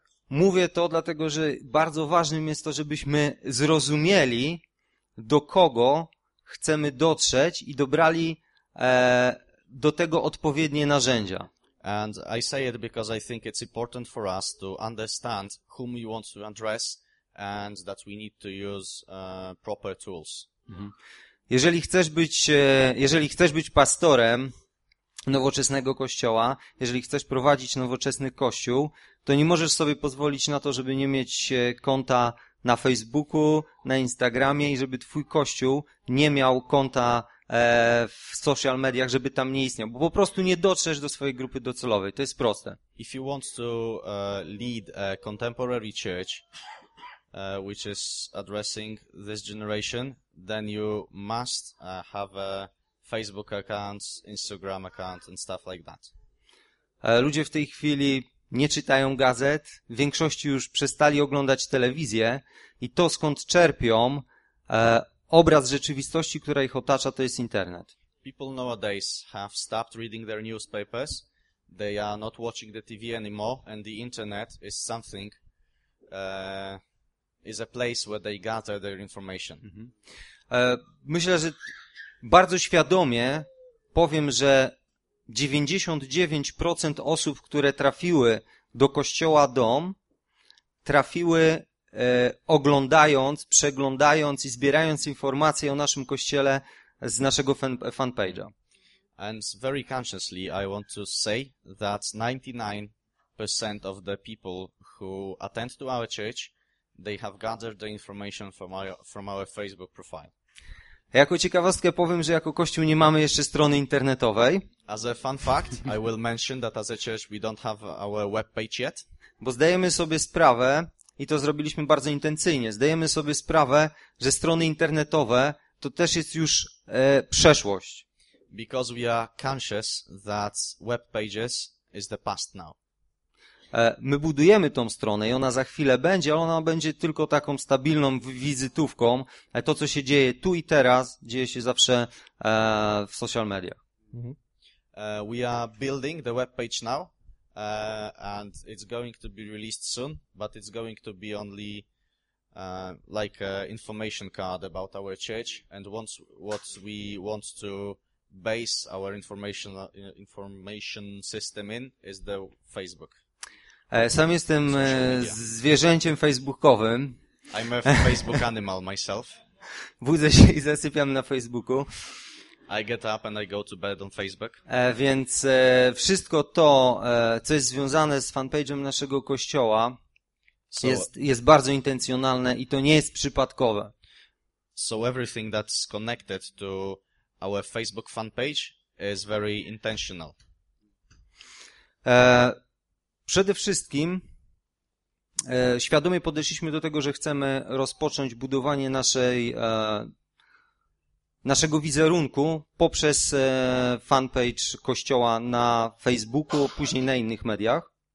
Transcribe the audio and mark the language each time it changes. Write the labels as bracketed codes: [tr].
[pl] Mówię to dlatego, że bardzo ważnym jest to, żebyśmy zrozumieli, do kogo chcemy dotrzeć i dobrali do tego odpowiednie narzędzia. [en] And I say it because I think it's important for us to understand whom we want to address and that we need to use proper tools. [pl] Jeżeli chcesz być pastorem nowoczesnego kościoła, jeżeli chcesz prowadzić nowoczesny kościół, to nie możesz sobie pozwolić na to, żeby nie mieć konta na Facebooku, na Instagramie i żeby twój kościół nie miał konta w social mediach, żeby tam nie istniał, bo po prostu nie dotrzesz do swojej grupy docelowej. To jest proste. [en] If you want to lead a contemporary church which is addressing this generation, then you must have a Facebook account, Instagram account and stuff like that. [pl] Ludzie w tej chwili nie czytają gazet, w większości już przestali oglądać telewizję i to, skąd czerpią obraz rzeczywistości, która ich otacza, to jest internet. [en] People nowadays have stopped reading their newspapers, they are not watching the TV anymore and the internet is something, is a place where they gather their information. [pl] Myślę, że bardzo świadomie powiem, że 99% osób, które trafiły do kościoła Dom, trafiły oglądając, przeglądając i zbierając informacje o naszym kościele z naszego fanpage'a. [en] And very consciously I want to say that 99% of the people who attend to our church, they have gathered the information from our Facebook profile. [pl] Jako ciekawostkę powiem, że jako kościół nie mamy jeszcze strony internetowej. [en] As a fun fact, I will mention that as a church we don't have our webpage yet. [pl] Bo zdajemy sobie sprawę, i to zrobiliśmy bardzo intencyjnie, zdajemy sobie sprawę, że strony internetowe to też jest już przeszłość. [en] Because we are conscious that webpages is the past now. [pl] My budujemy tą stronę i ona za chwilę będzie, ale ona będzie tylko taką stabilną wizytówką. To, co się dzieje tu i teraz, dzieje się zawsze w social mediach. [en] We are building the webpage now and it's going to be released soon, but it's going to be only like an information card about our church and what we want to base our information system in is the Facebook. [pl] Sam jestem zwierzęciem facebookowym. [en] I'm a Facebook animal myself. [pl] Budzę się i zasypiam na Facebooku. [en] I get up and I go to bed on Facebook. [pl] Więc wszystko to, co jest związane z fanpage'em naszego kościoła, [en] so, [pl] jest bardzo intencjonalne i to nie jest przypadkowe. [en] So everything that's connected to our Facebook fanpage is very intentional. [pl] Przede wszystkim świadomie podeszliśmy do tego, że chcemy rozpocząć budowanie naszego wizerunku poprzez fanpage kościoła na Facebooku, później na innych mediach.